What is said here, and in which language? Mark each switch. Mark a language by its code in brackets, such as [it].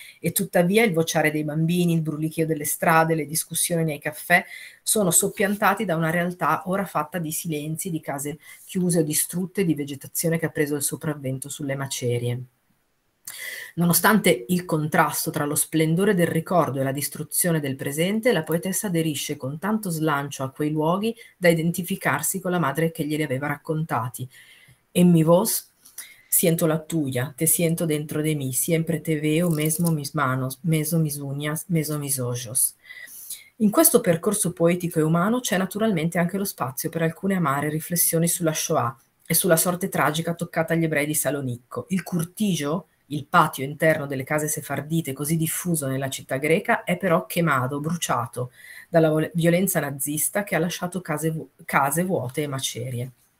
[it] E tuttavia il vociare dei bambini, il brulichio delle strade, le discussioni nei caffè sono soppiantati da una realtà ora fatta di silenzi, di case chiuse o distrutte, di vegetazione che ha preso il sopravvento sulle macerie. Nonostante il contrasto tra lo splendore del ricordo e la distruzione del presente, la poetessa aderisce con tanto slancio a quei luoghi da identificarsi con la madre che glieli aveva raccontati. [lad] En mi vos siento la tuya, te siento dentro de mí, siempre te veo, mesmo mis manos, meso mis uñas, meso mis ojos. [it] In questo percorso poetico e umano c'è naturalmente anche lo spazio per alcune amare riflessioni sulla Shoah e sulla sorte tragica toccata agli ebrei di Salonicco. Il curtigio, il patio interno delle case sefardite, così diffuso nella città greca, è però quemato, bruciato dalla violenza nazista che ha lasciato case vuote e macerie.